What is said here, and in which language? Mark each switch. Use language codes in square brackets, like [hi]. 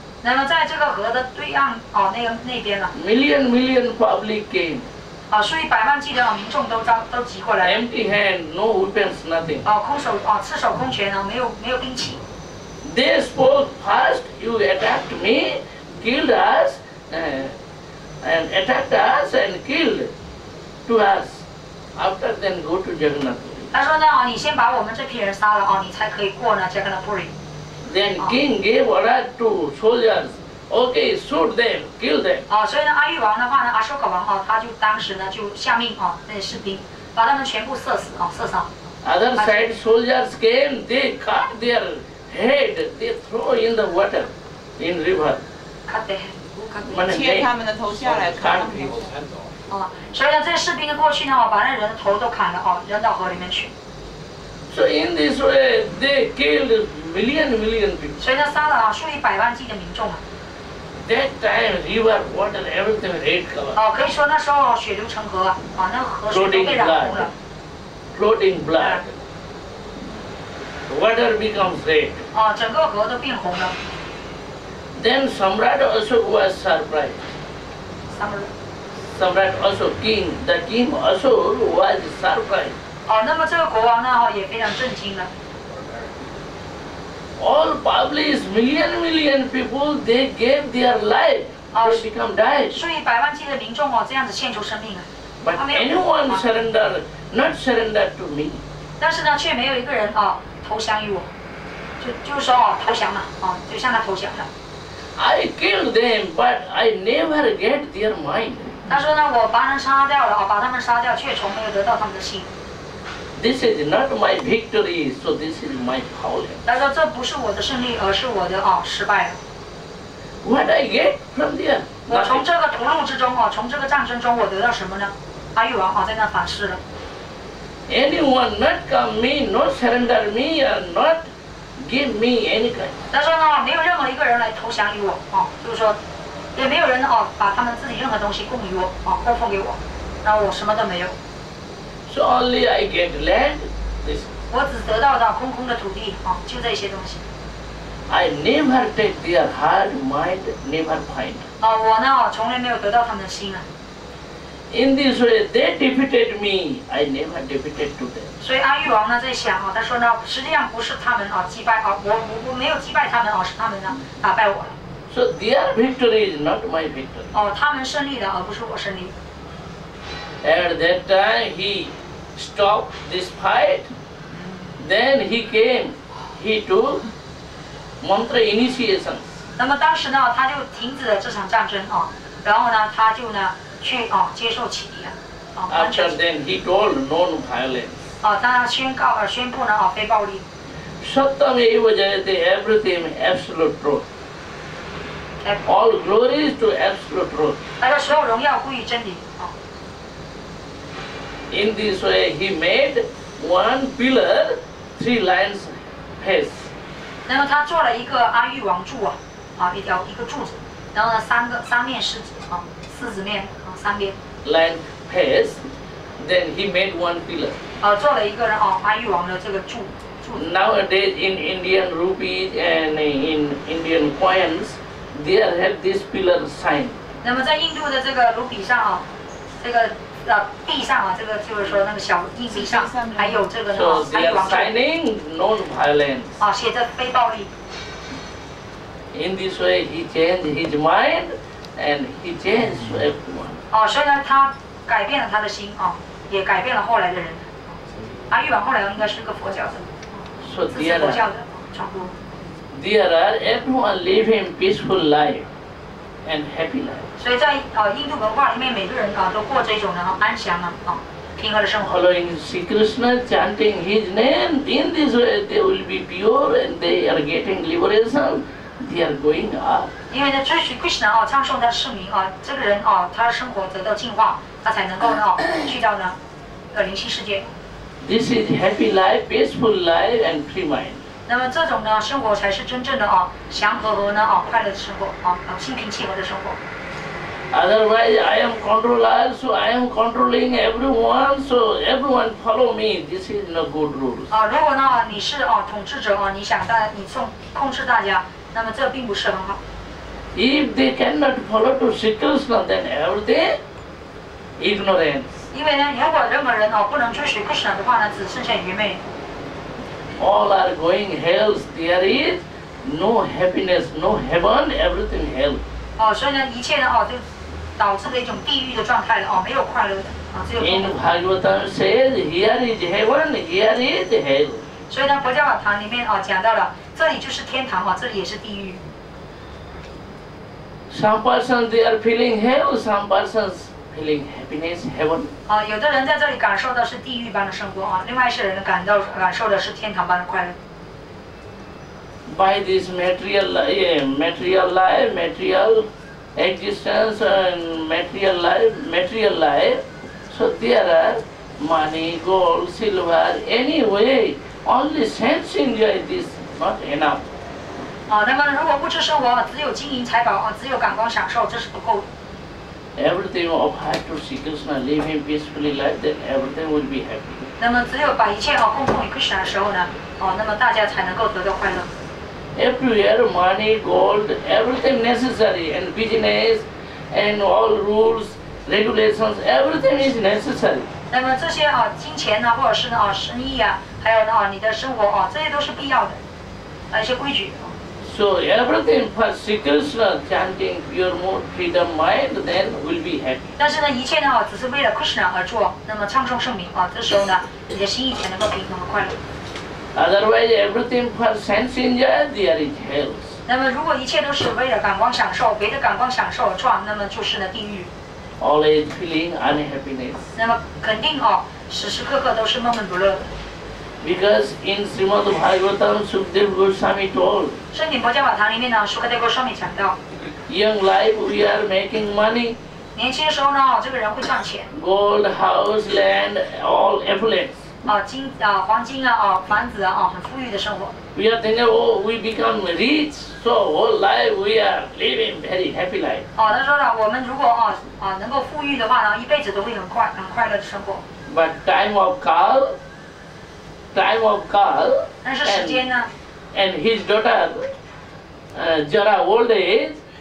[zh] 那么在这个河的对岸啊，那边了。 [en] Million million public came. [zh] 啊，所以百万计的民众都集过来。 [en] Empty hand, no weapons, nothing. [zh] 哦，空手哦，赤手空拳呢，没有兵器。 [en] They spoke first. You attacked me, killed us, and attacked us and killed to us. After then go to Jagannath Puri. [zh] 他说呢，哦，你先把我们这批人杀了哦，你才可以过呢 Jagannath Puri. [en] Then king gave order to soldiers. Okay, shoot them, kill them. [zh] 啊，所以呢，阿育王的话呢，阿修克王哈，他就当时呢就下命啊，那些士兵把他们全部射死啊，射杀。 [en] Other side soldiers came, they cut their head, they throw in the water, in river. Cut their head, [zh] 切他们的头下来，砍他们头。啊，所以呢，这些士兵过去呢，把那人的头都砍了啊，扔到河里面去。 [en] So in this way, they killed million million people. [zh] 所以呢，杀了啊，数以百万计的民众啊。 [en] That time, river, water, everything red color. [zh] 哦，可以说那时候血流成河啊，啊，那河水都被染红了。 [en] Floating blood. Water becomes red. [zh] 哦，整个河都变红了。 [en] Then Samrat Ashok was surprised. Samrat Ashok, king, the king Ashok was surprised. [zh] 哦，那么这个国王呢，也非常震惊了。 [en] All public, million million people, they gave their life to become dead. [zh] 数以百万计的民众哦，这样子献出生命啊。 [en] But anyone surrender, not surrender to me. [zh] 但是呢，却没有一个人啊投降于我，就是说啊投降嘛，啊就向他投降了。 [en] I killed them, but I never get their mind. [zh] 他说呢，我把人杀掉了啊，把他们杀掉，却从没有得到他们的心。 [en] This is not my victory, so this is my failure. [zh] 他说这不是我的胜利，而是我的啊失败了。 [en] What I get from there? [zh] 我从这个屠戮之中啊，从这个战争中，我得到什么呢？阿育王啊在那反思了。 [en] Anyone not come me, not surrender me, or not give me any kind. [zh] 他说呢，没有任何一个人来投降于我啊，就是说，也没有人啊把他们自己任何东西供于我啊，供奉给我，然后我什么都没有。 [en] So only I get land, this. [zh] 我只得到的空空的土地啊，就这些东西。 [en] I never take their heart, mind, never find. [zh] 啊，我呢，从来没有得到他们的心啊。 [en] In this way, they defeated me. I never defeated to them. [zh] 所以阿育王呢在想啊，他说呢，实际上不是他们啊击败啊，我没有击败他们啊，是他们呢打败我了。 [en] So their victory is not my victory. [zh] 哦，他们胜利的，而不是我胜利。 [en] At that time, he stopped this fight. Then he came. He took mantra initiations. [zh] 那么当时呢，他就停止了这场战争啊。然后呢，他就呢去啊接受启迪啊。 [en] After then, he told non-violence. [zh] 啊，当然宣告宣布呢啊，非暴力。 [sa] Satyam eva jayate, [en] everything absolute truth. All glory is to absolute truth. [zh] 那个所有荣耀归于真理。 [en] In this way, he made one pillar, three lines, face. [zh] 那么他做了一个阿育王柱啊，啊一条一个柱子，然后呢三面狮子啊，狮子面啊三边。 [en] Line face, then he made one pillar. [zh] 啊，做了一个啊阿育王的这个柱柱子。 [en] Nowadays in Indian rupees and in Indian coins, they have this pillar sign. [zh] 那么在印度的这个卢比上啊，这个。地上啊，这个就是说那个小硬币上，还有这个呢，还有王。 [en] So they are signing non-violence. [zh] 啊，写着非暴力。 [en] In this way, he changed his mind, and he changed everyone. [zh] 啊，所以呢，他改变了他的心啊，也改变了后来的人。阿育王后来应该是个佛教的，是佛教的传播。 [en] There are everyone living peaceful life. And happy life. [zh] 所以在印度文化里面，每个人啊都过这种呢安详啊平和的生活。 [en] Following Sri Krishna chanting his name, in this way they will be pure and they are getting liberation. They are going up. [zh] 因为呢，追随 Krishna 啊，唱诵他圣名啊，这个人啊，他生活得到净化，他才能够呢去到呢灵性世界。 [en] This is happy life, peaceful life, and free mind. [zh] 那么这种呢生活才是真正的啊祥和和呢啊快乐的生活啊心平气和的生活。 [en] Otherwise, I am controller, so I am controlling everyone, so everyone follow me. This is not good rules. [zh] 啊，如果呢你是啊统治者啊，你想大你控制大家，那么这并不是很好。 [en] If they cannot follow to Sri Krishna, then everything ignorance. [zh] 因为呢，如果任何人啊不能追随 Krishna 的话呢，只剩下愚昧。 [en] All are going hell. There is no happiness, no heaven. Everything hell. [zh] 哦，所以呢，一切呢，哦，就导致了一种地狱的状态了，哦，没有快乐的，啊，只有。 [en] In Bhagavatam says, here is heaven, here is hell. [zh] 所以呢，佛教法堂里面哦讲到了，这里就是天堂嘛，这里也是地狱。 [en] Some persons they are feeling hell. Some persons feeling happiness, heaven. [zh] 啊，有的人在这里感受到是地狱般的生活啊，另外一些人感受的是天堂般的快乐。 [en] By this material life, material existence and material life, so there are money, gold, silver, anyway, only sense enjoy this not enough. [zh] 啊，那么如果不知生活，只有金银财宝啊，只有感官享受，这是不够的。 [en] Everything of heart to Sri Krishna, live him peacefully life, then everything will be happy. [zh] 那么只有把一切啊供奉于 Krishna 的时候呢，哦，那么大家才能够得到快乐。 [en] Everywhere money, gold, everything necessary, and business, and all rules, regulations, everything is necessary. [zh] 那么这些啊，金钱呢，或者是呢啊，生意啊，还有呢啊，你的生活啊，这些都是必要的，啊，一些规矩。 [en] So everything for Sri Krishna chanting pure mood, freedom mind, then will be happy. [zh] 但是呢，一切呢，只是为了 Krishna 而做。那么唱诵圣名啊，这时候呢，你的心意才能够平衡和快乐。 [en] Otherwise, everything for sense enjoy, there is hell. [zh] 那么如果一切都是为了感官享受，别的感官享受而做，那么就是呢地狱。 [en] Always feeling unhappiness. [zh] 那么肯定啊，时时刻刻都是闷闷不乐。 [en] Because in Srimad Bhagavatam, Sukadeva Goswami told, [zh] 圣顶佛教法堂里面呢，苏格德戈斯瓦米讲到， [en] Young life, we are making money. [zh] 年轻的时候呢，这个人会赚钱。 [en] Gold, house, land, all affluence. [zh] 啊，金啊，黄金啊，啊，房子啊，啊，很富裕的生活。 [en] We are thinking, oh, we become rich, so whole life we are living very happy life. [zh] 啊，他说了，我们如果啊能够富裕的话呢，一辈子都会很快乐的生活。 [en] But time of call. Time of call, and his daughter, Jara old age,